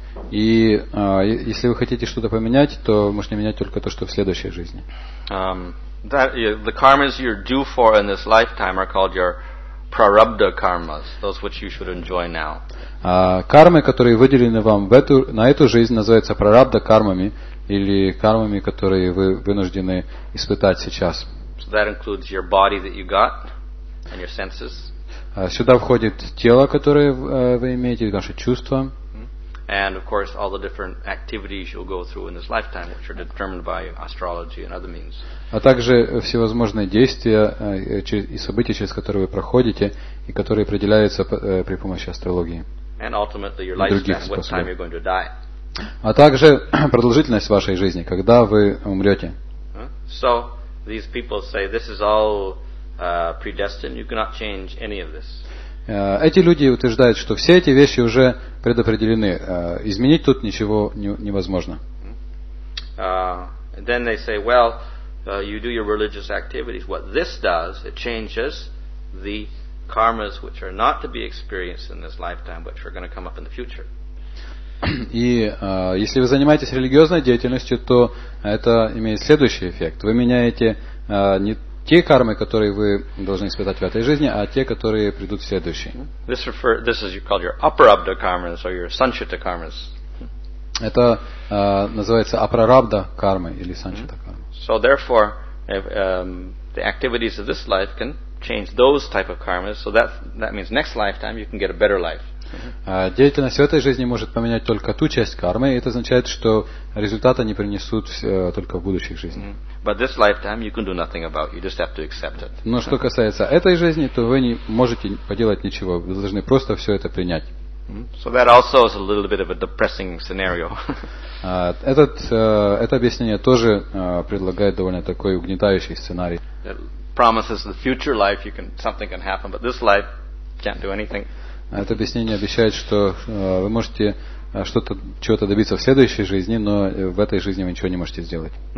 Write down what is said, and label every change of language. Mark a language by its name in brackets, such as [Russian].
[Russian] И если вы хотите что-то поменять, то можете менять только то, что в следующей жизни. [English] The karmas you're due for in this lifetime are called your prarabdha karmas, those which you should enjoy now. [Russian] Кармы, которые выделены вам в эту, на эту жизнь, называются прарабдха кармами или кармами, которые вы вынуждены испытать сейчас. [English] So that includes your body that you got and your senses. [Russian] Сюда входит тело, которое вы имеете, ваши чувства. [English] And of course all the different activities you'll go through in this lifetime which are determined by astrology and other means. [Russian] А также всевозможные действия и события, через которые вы проходите и которые определяются при помощи астрологии. [English] And ultimately your lifespan, what time you're going to die. [Russian] А также продолжительность вашей жизни, когда вы умрете. [English] So these people say this is all predestined, you cannot change any of this. [Russian] Эти люди утверждают, что все эти вещи уже предопределены. Изменить тут ничего невозможно. [English] Then they say, well, you do your religious activities. What this does, it changes the karmas, which are not to be experienced in this lifetime, which are going to come up in the future. [Russian] И если вы занимаетесь религиозной деятельностью, то это имеет следующий эффект. Вы меняете не те кармы, которые вы должны испытать в этой жизни, а те, которые придут в следующей. [English] This is called your aparabdha karmas or your sanchita karmas. [Russian] Это называется апрарабдха карма или санчита карма. [English] So therefore, if, the activities of this life can change those type of karmas. So that means next lifetime you can get a better life. [Russian] Деятельность в этой жизни может поменять только ту часть кармы, и это означает, что результаты не принесут только в будущих жизнях. [English] But this lifetime you can do nothing about. You just have to accept it. [Russian] Но что касается этой жизни, то вы не можете поделать ничего. Вы должны просто все это принять. [English] So that also is a little bit of a depressing scenario. [Russian] Это объяснение тоже предлагает довольно такой угнетающий сценарий. [English] It promises the future life you can something can happen, but this life can't do anything. [Russian] Это объяснение обещает, что вы можете что-то, чего-то добиться в следующей жизни, но в этой жизни вы ничего не можете сделать.